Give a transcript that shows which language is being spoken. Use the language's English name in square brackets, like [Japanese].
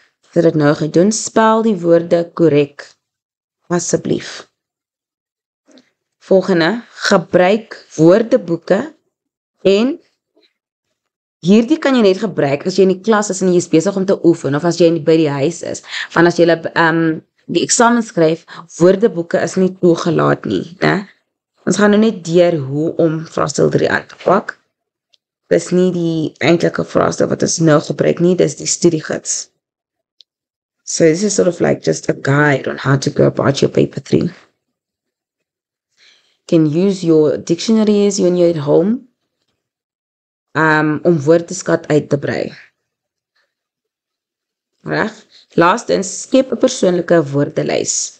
[Afrikaans] Het het nou gedoen, spel die woorde korrek, asseblief. Volgende, gebruik woordeboeke en hierdie kan jy net gebruik as jy in die klas is en jy is besig om te oefen of as jy by die huis is. Van as jy die eksamen skryf, woordeboeke is nie toegelaat nie. Ne? Ons gaan nou net deur hoe om vraagstel 3 aan te pak. Dis nie die eintlike vraagstel wat ons nou gebruik nie, dis die studiegids. [English] So this is sort of like just a guide on how to go about your paper 3. You can use your dictionaries when you're at home om woordeskat uit te brei. [Afrikaans] Reg? Laastens, skep 'n persoonlike woordelys.